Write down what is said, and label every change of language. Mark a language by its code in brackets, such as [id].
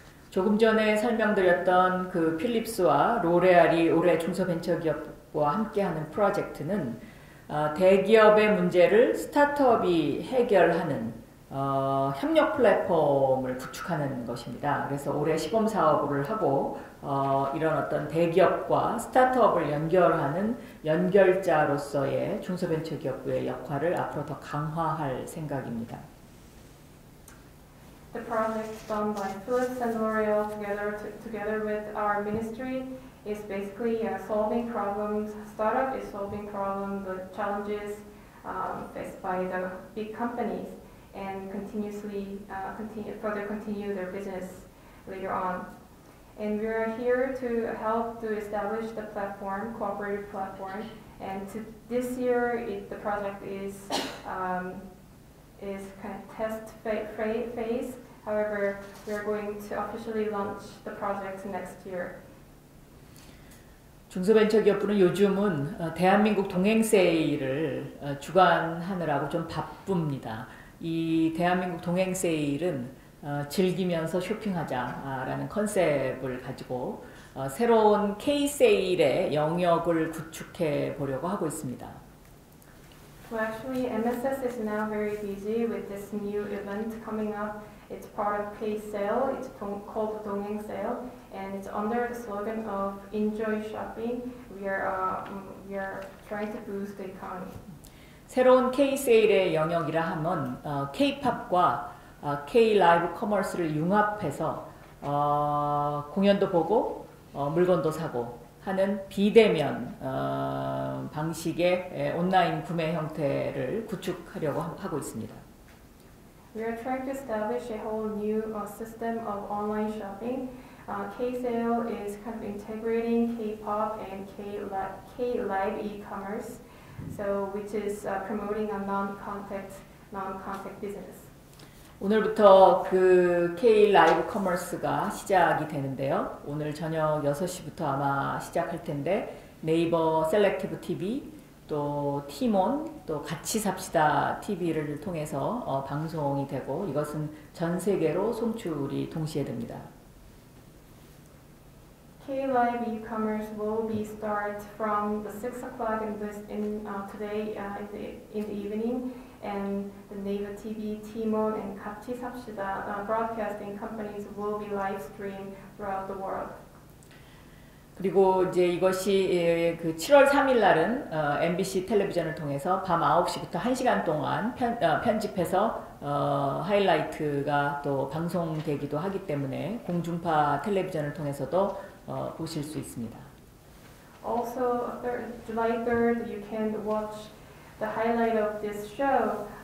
[ko] 조금 전에 설명드렸던 그 필립스와 로레알이 올해 중소벤처기업과 함께하는 프로젝트는 대기업의 문제를 스타트업이 해결하는 협력 플랫폼을 구축하는 것입니다. 그래서 올해 시범 사업을 하고 이런 어떤 대기업과 스타트업을 연결하는 연결자로서의 중소벤처기업부의 역할을 앞으로 더 강화할 생각입니다. [en] The project done by Philips and L'Oreal together with our ministry is basically solving problems. Startup is solving problems, the challenges faced by the big companies. And continuously continue their business later on. And we are here to help to establish the platform, cooperative platform. And to this year, the project is kind of test phase. However, we are going to officially launch the project next year. [ko] 중소벤처기업부는 요즘은 대한민국 동행 세일을 주관하느라고 좀 바쁩니다. 이 대한민국 동행 세일은 즐기면서 쇼핑하자라는 컨셉을 가지고 새로운 K세일의 영역을 구축해 보려고 하고 있습니다. [en] Well, actually, MSS is now very busy with this new event coming up. It's part of K-Sale. It's called 동행세일, and it's under the slogan of Enjoy Shopping. We are trying to boost the economy. [ko] 새로운 K-세일의 영역이라 하면 K-POP과 K-라이브 커머스를 융합해서 공연도 보고 물건도 사고 하는 비대면 방식의 온라인 구매 형태를 구축하려고 하고 있습니다. [en] We are trying to establish a whole new system of online shopping. K-Sale is kind of integrating K-POP and K-Live e-commerce. So, which is promoting a non-contact business. [ko] 오늘부터 그 K-Live Commerce가 시작이 되는데요. 오늘 저녁 6시부터 아마 시작할 텐데 네이버 셀렉티브 TV, 또 티몬, 또 같이 삽시다 TV를 통해서 방송이 되고 이것은 전 세계로 송출이 동시에 됩니다. [en] K-Live e-commerce will be start from the 6 o'clock in the evening, and the Naver TV, Tmall, and 같이 삽시다 broadcasting companies will be live stream throughout the world. [ko] 그리고 이제 이것이 그 7월 3일 날은 MBC 텔레비전을 통해서 밤 9시부터 1시간 동안 편집해서 하이라이트가 또 방송되기도 하기 때문에 공중파 텔레비전을 통해서도 보실 수 있습니다. [en] Also, July 3rd, you can watch the highlight of this show